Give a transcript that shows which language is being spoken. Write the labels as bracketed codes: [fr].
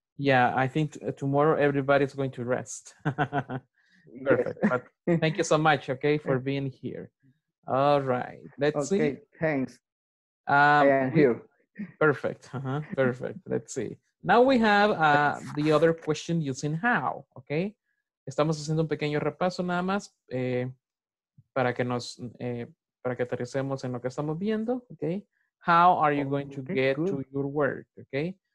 [en] Yeah, I think tomorrow everybody's going to rest. Perfect. But thank you so much, okay, for being here. All right. Let's see. Okay, thanks. I am here. Perfect. Perfect. Let's see. Now we have the other question using how, okay? [es] Estamos haciendo un pequeño repaso nada más para que aterricemos en lo que estamos viendo, okay? [en] How are you going to get to your work, okay?